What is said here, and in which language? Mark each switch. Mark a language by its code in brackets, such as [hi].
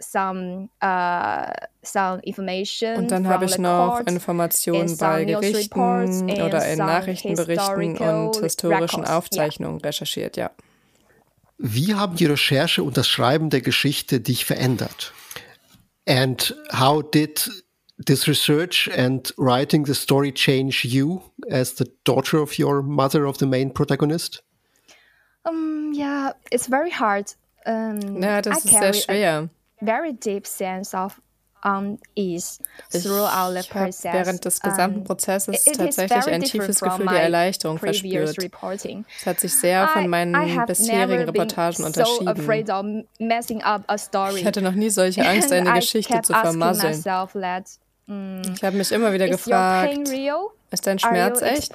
[de] Und dann habe ich noch Informationen bei Gerichten oder in Nachrichtenberichten und historischen Aufzeichnungen recherchiert, ja. Wie haben die Recherche und das Schreiben der Geschichte dich verändert? [en] And how did this research and writing the story change you as the daughter of your mother of the main protagonist? It's very hard. [de] Das ist sehr schwer. [en] Very deep sense of unease throughout the process. [de] Ich habe während des gesamten Prozesses tatsächlich ein tiefes Gefühl der Erleichterung verspürt. Es hat sich sehr von meinen bisherigen Reportagen unterschieden. Ich hatte noch nie solche Angst, eine Geschichte zu vermasseln. Ich habe mich immer wieder gefragt, ist dein Schmerz echt?